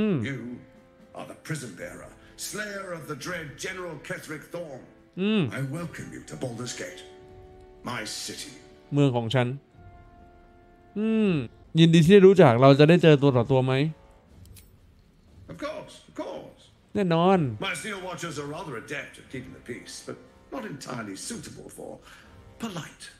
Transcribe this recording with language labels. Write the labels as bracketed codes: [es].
[en] You are the prison bearer, slayer of the dread General Ketherick Thorn. I welcome you to Baldur's Gate, my city. [th] เมืองของฉัน ยินดีที่ได้รู้จักเราจะได้เจอตัวต่อตัวไหม [en] Of course. [th] แน่นอน [en] My steel watchers are rather adept at keeping the peace, but not entirely suitable for polite.